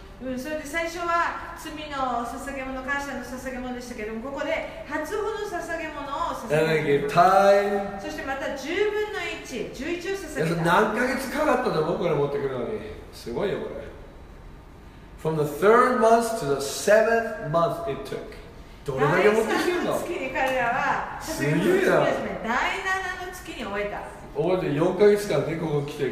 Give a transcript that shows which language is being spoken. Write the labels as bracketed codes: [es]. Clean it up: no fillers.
[ja] それで最初は罪の捧げ物、感謝の捧げ物でしたけども、ここで初歩の捧げ物を捧げた。そしてまた10分の1、11を捧げた。何ヶ月かかったんだ、僕から持ってくるのに。すごいよ、これ。 [en] From the third month to the seventh month it took. [ja] どれだけ持ってきてるの？第3の月に彼らは捧げ物を捧げた。第7の月に終えた。終わって4ヶ月間ね、ここ来てく